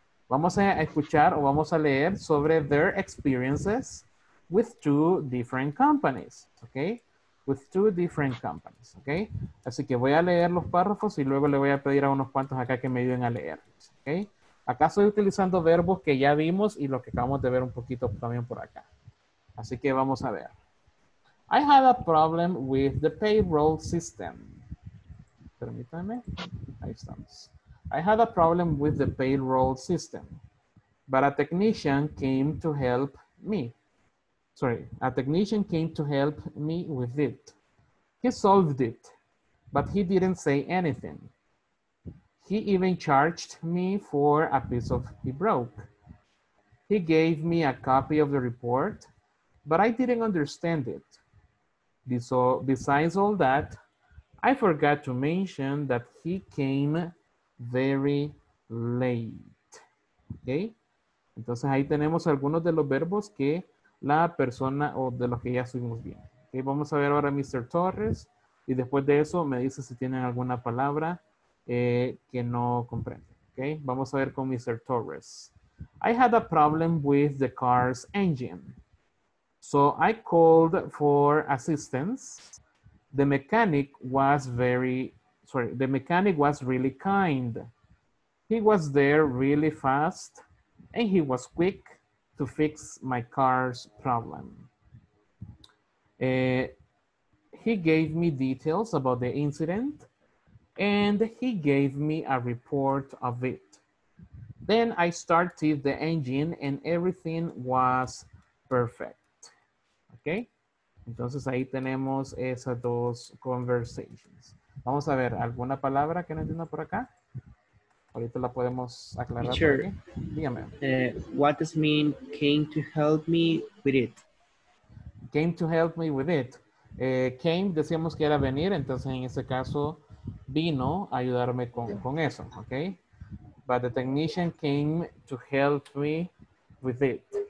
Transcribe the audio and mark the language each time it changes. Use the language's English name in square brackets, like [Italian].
[Spanish] Vamos a escuchar o vamos a leer sobre [English] their experiences with two different companies, [Spanish] ¿ok? [English] With two different companies, ¿ok? [Spanish] Así que voy a leer los párrafos y luego le voy a pedir a unos cuantos acá que me ayuden a leerlos, ¿ok? Acá estoy utilizando verbos que ya vimos y los que acabamos de ver un poquito también por acá. Así que vamos a ver. [English] I had a problem with the payroll system. [Spanish] Permítame. Ahí estamos. [English] I had a problem with the payroll system, but a technician came to help me. Sorry, a technician came to help me with it. He solved it, but he didn't say anything. He even charged me for a piece of he broke. He gave me a copy of the report, but I didn't understand it. Besides all that, I forgot to mention that he came very late. Okay? [Spanish] Entonces ahí tenemos algunos de los verbos que la persona o de los que ya estuvimos bien. Okay, vamos a ver ahora a Mr. Torres y después de eso me dice si tienen alguna palabra que no comprende. Okay, vamos a ver con Mr. Torres. [English] I had a problem with the car's engine, so I called for assistance. The mechanic was the mechanic was really kind. He was there really fast and he was quick to fix my car's problem. He gave me details about the incident and he gave me a report of it. Then I started the engine and everything was perfect. [Spanish] Okay? Entonces ahí tenemos esas dos conversations. Vamos a ver, ¿alguna palabra que no entienda por acá? Ahorita la podemos aclarar. [English] Sure. [Spanish] Dígame. [English] What does mean came to help me with it? Came to help me with it. [Spanish] Came, decíamos que era venir, entonces en ese caso vino a ayudarme con eso, ¿ok? [English] But the technician came to help me with it.